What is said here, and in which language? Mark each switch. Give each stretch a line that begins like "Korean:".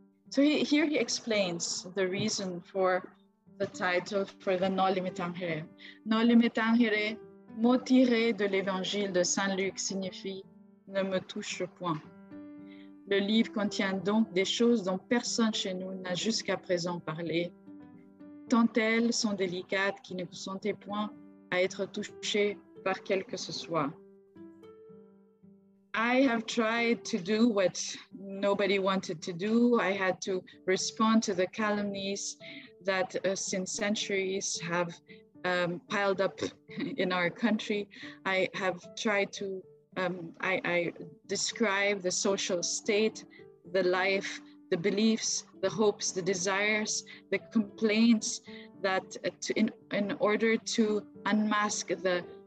English: So here he explains the reason for the title for the Noli Me Tangere.
French: Noli Me Tangere, mot tiré de l'évangile de Saint-Luc, signifie « ne me touche point ». Le livre contient donc des choses dont personne chez nous n'a jusqu'à présent parlé, tant elles sont délicates qui ne consentaient point à être touchées par quel que ce soit.
English: I have tried to do what nobody wanted to do. I had to respond to the calumnies that since centuries have piled up in our country. I have tried to I describe the social state, the life, the beliefs, the hopes, the desires, the complaints that in order to unmask the